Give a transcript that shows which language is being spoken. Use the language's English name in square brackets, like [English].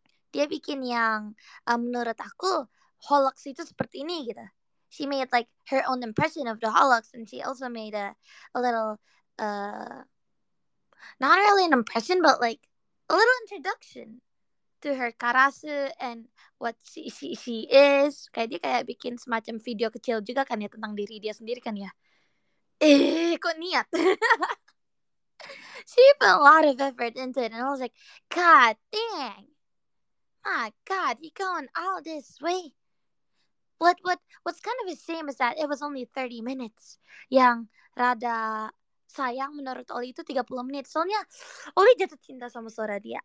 [Indonesian] Dia bikin yang menurut aku Holux itu seperti ini gitu. [English] She made like her own impression of the Holux, and she also made a little not really an impression, but like a little introduction to her karasu and what she is. [Indonesian] Kayak dia kayak bikin semacam video kecil juga kan ya tentang diri dia sendiri kan ya. Kok niat? [English] She put a lot of effort into it and I was like, god dang. My God, you're going all this way. What's kind of the same is that it was only 30 minutes. [Indonesian] Yang rada sayang menurut Oli itu 30 menit. Soalnya Oli jatuh cinta sama suara dia.